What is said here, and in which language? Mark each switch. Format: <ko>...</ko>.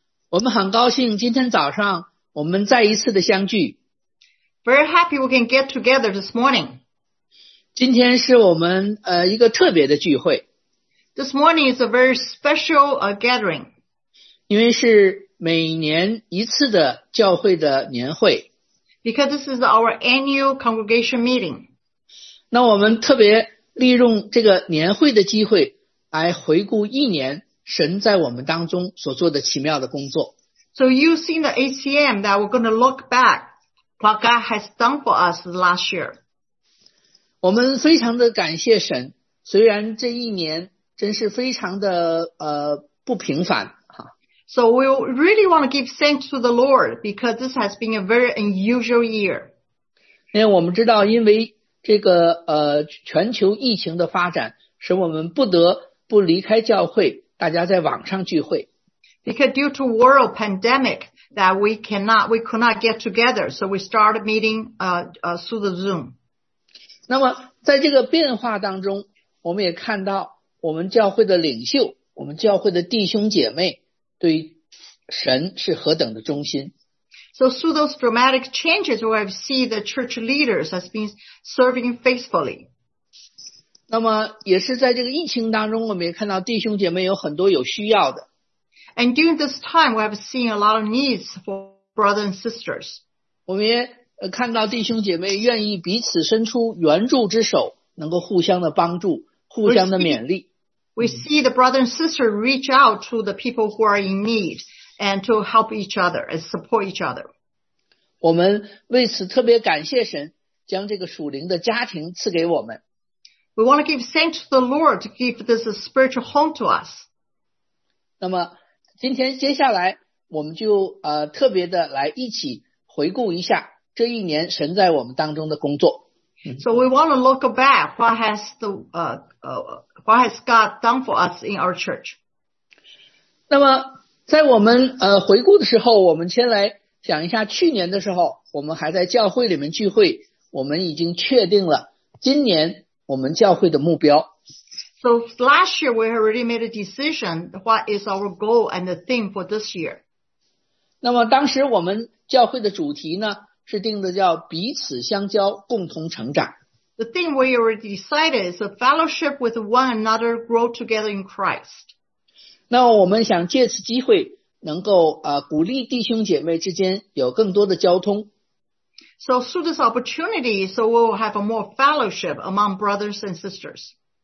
<zh>我们很高兴今天早上我们再一次的相聚。</zh> <en>Very happy we can get together this morning.</en> <zh>今天是我们一个特别的聚会。</zh> <en>This morning is a very special gathering.</en> <zh>因为是每年一次的教会的年会。</zh> <en>Because this is our annual congregation meeting.</en> <zh>那我们特别利用这个年会的机会来回顾一年神在我们当中所做的奇妙的工作。</zh> <en>So using the ACM that we're going to look back what God has done for us last year.</en> <zh>我们非常的感谢神，虽然这一年真是非常的不平凡。</zh> <en>So we really want to give thanks to the Lord because this has been a very unusual year.</en> <zh>因为我们知道因为这个全球疫情的发展使我们不得不离开教会，大家在网上聚会。</zh> <en>Because due to world pandemic that we could not get together, so we started meeting through the Zoom.</en> <zh>那么在这个变化当中，我们也看到我们教会的领袖，我们教会的弟兄姐妹对神是何等的忠心。</zh> <en>So through those dramatic changes, we have seen the church leaders has been serving faithfully.</en> <zh>那么也是在这个疫情当中，我们也看到弟兄姐妹有很多有需要的。</zh> <en>And during this time, we have seen a lot of needs for brothers and sisters.</en> <zh>我们也看到弟兄姐妹愿意彼此伸出援助之手，能够互相的帮助，互相的勉励。</zh> <en>We see the brother and sister reach out to the people who are in need. And to help each other and support each other.</en> <zh>我们为此特别感谢神将这个属灵的家庭赐给我们。</zh> <en>We want to give thanks to the Lord to give this a spiritual home to us.</en> <zh>那么今天接下来我们就特别的来一起回顾一下这一年神在我们当中的工作。</zh> <en>So we want to look back what has God done for us in our church.</en> <zh>那么在我们回顾的时候，我们先来想一下去年的时候，我们还在教会里面聚会，我们已经确定了今年我们教会的目标。</zh> <en>So last year we already made a decision what is our goal and the theme for this year.</en> <zh>那么当时我们教会的主题呢，是定的叫彼此相交，共同成长。</zh> <en>The theme we already decided is a fellowship with one another, grow together in Christ.</en> <zh>那我们想借此机会能够鼓励弟兄姐妹之间有更多的交通。</zh> <en>So through this opportunity, so we will have a more fellowship among brothers and sisters.</en>